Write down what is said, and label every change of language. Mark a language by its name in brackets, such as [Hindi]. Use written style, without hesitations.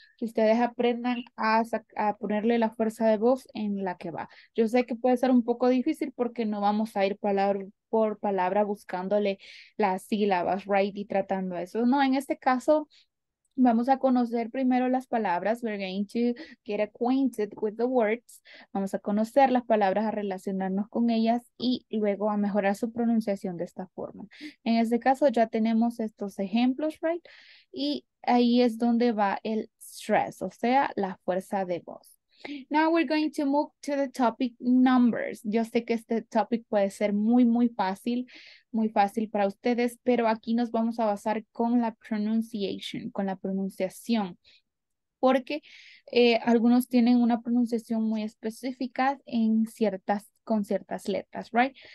[Spanish] Que ustedes aprendan a ponerle la fuerza de voz en la que va. Yo sé que puede ser un poco difícil porque no vamos a ir palabra por palabra buscándole las sílabas, right, y tratando eso. No, en este caso vamos a conocer primero las palabras. [English] We're going to get acquainted with the words. [Spanish] Vamos a conocer las palabras, a relacionarnos con ellas y luego a mejorar su pronunciación de esta forma. En este caso ya tenemos estos ejemplos, right? Y ahí es donde va el stress, o sea, la fuerza de voz. [English] Now we're going to move to the topic numbers. [Spanish] Yo sé que este topic puede ser muy, muy fácil para ustedes, pero aquí nos vamos a basar con la pronunciation, con la pronunciación, porque algunos tienen una pronunciación muy específica en ciertas, con ciertas letras, right?